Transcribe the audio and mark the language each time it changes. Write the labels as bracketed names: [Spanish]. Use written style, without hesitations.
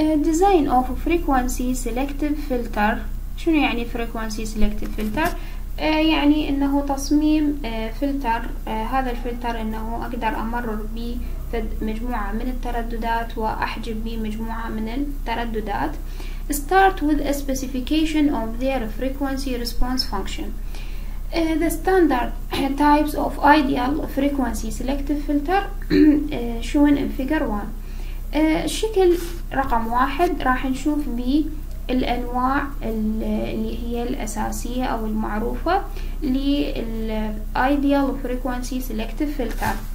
[English] Design of frequency selective filter. [Arabic] شنو يعني frequency selective filter؟ يعني انه تصميم فلتر، هذا الفلتر انه اقدر امرر به مجموعة من الترددات واحجب به مجموعة من الترددات. [English] Start with a specification of their frequency response function. The standard types of ideal frequency selective filter shown in figure 1. [Arabic] الشكل رقم واحد راح نشوف به الأنواع اللي هي الأساسية أو المعروفة للـ Ideal Frequency Selective Filter.